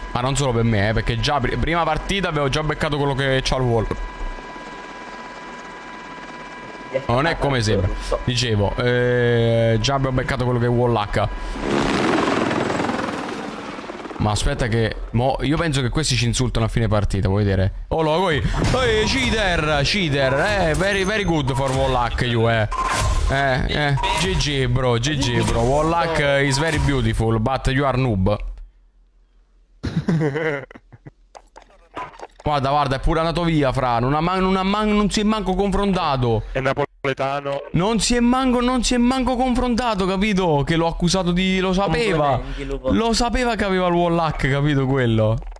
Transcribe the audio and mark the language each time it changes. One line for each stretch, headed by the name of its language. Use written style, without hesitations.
Italian: Ma non solo per me, perché già prima partita avevo già beccato quello che c'ha al wall. Non è come sembra. Dicevo, già abbiamo beccato quello che è wallhack. Ma aspetta che mo, io penso che questi ci insultano a fine partita, vuoi vedere? Oh lo voi!
English: Oh, cheater, very very good for wallhack you, GG bro, wallhack is very beautiful, but you are noob.
Italian: Guarda, è pure andato via, fra, non si è manco confrontato. È napoletano. Non si è manco confrontato, capito? Che l'ho accusato di... lo sapeva. Lo sapeva che aveva il wallhack, capito quello?